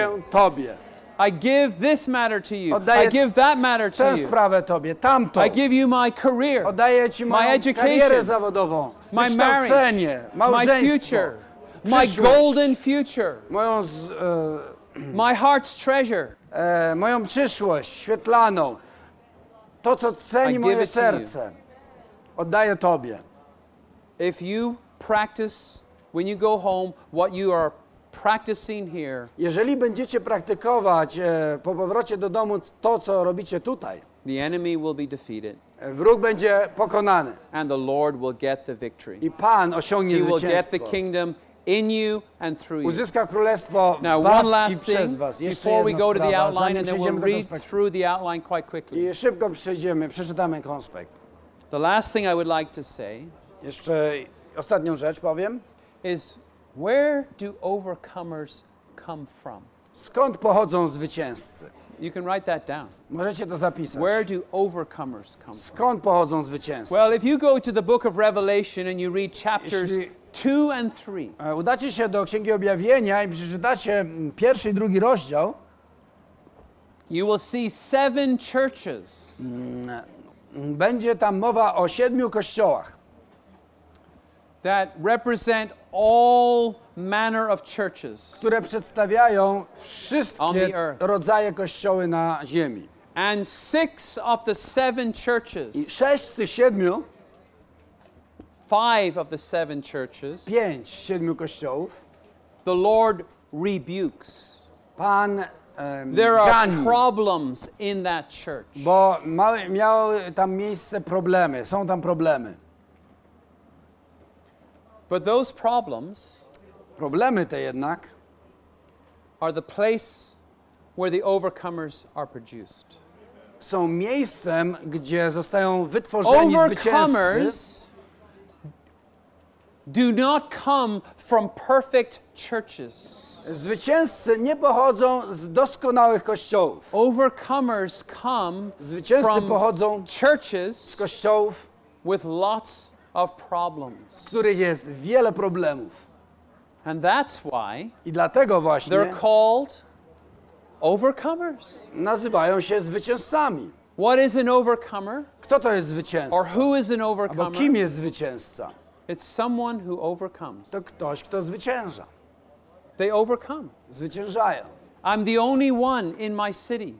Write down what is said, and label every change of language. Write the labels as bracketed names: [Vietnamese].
[English] you. [Polish] Tobie. [English] I give this matter to you. [Polish] Oddaję [English] I give that matter to you. [Polish] Sprawę tobie, tamto. [English] I give you my career. [Polish] Oddaję ci moją [English] my education. [Polish] Karierę zawodową, [English] my marriage. [Polish] Małżeństwo, [English] my future. My golden future. [Polish] Moją [English] my heart's treasure. [Polish] Moją przyszłość świetlaną. To, co ceni moje serce, oddaję Tobie. [English] If you practice when you go home what you are practicing here. [Polish] Jeżeli będziecie praktykować po powrocie do domu to, co robicie tutaj, [English] the enemy will be defeated. [Polish] Wróg będzie pokonany. [English] And the Lord will get the victory. [Polish] I Pan osiągnie zwycięstwo. [English] He will get the kingdom in you and through you. [Polish] Uzyska królestwo [English] now, [Polish] was [English] one last [Polish] i przez was. [English] Thing before we go to the outline and then we'll read through the outline quite quickly. [Polish] I szybko przejdziemy, przeczytamy konspekt. [English] The last thing I would like to say. [Polish] Jeszcze ostatnią rzecz powiem. [English] Is where do overcomers come from? [Polish] Skąd pochodzą zwycięzcy? [English] You can write that down. [Polish] Możecie to zapisać. [English] Where do overcomers come from? [Polish] Skąd pochodzą zwycięzcy? [English] Well, if you go to the book of Revelation and you read chapters 2 and 3. [Polish] Udacie się do Księgi Objawienia i przeczytacie pierwszy i drugi rozdział. [English] You will see seven churches. [Polish] Będzie tam mowa o siedmiu kościołach. [English] That represent all manner of churches. [Polish] Które przedstawiają wszystkie rodzaje kościoły na ziemi. [English] And six of the seven churches. [Polish] I sześć z tych siedmiu. [English] Five of the seven churches. [Polish] Pięć z siedmiu kościołów. [English] The Lord rebukes. [Polish] Pan [English] there are [Polish] gani. [English] Problems in that church. [Polish] Bo miały tam miejsce problemy. Są tam problemy. [English] But those problems [Polish] problemy te jednak [English] are the place where the overcomers are produced. [Polish] Są miejscem, gdzie zostają wytworzeni zwycięzcy. [English] Overcomers do not come from perfect churches. [Polish] Zwycięzcy nie pochodzą z doskonałych kościołów. [English] Overcomers come [Polish] zwycięzcy [English] from [Polish] pochodzą [English] churches [Polish] z kościołów [English] with lots of problems. [Polish] W których jest wiele problemów. [English] And that's why [Polish] i dlatego właśnie [English] they're called overcomers. [Polish] Nazywają się zwycięzcami. [English] What is an overcomer? [Polish] Kto to jest zwycięzca? [English] Or who is an overcomer? [Polish] Albo kim jest zwycięzca? [English] It's someone who overcomes. [Polish] To ktoś, kto zwycięża. [English] They overcome. [Polish] Zwyciężają. [English] I'm the only one in my city.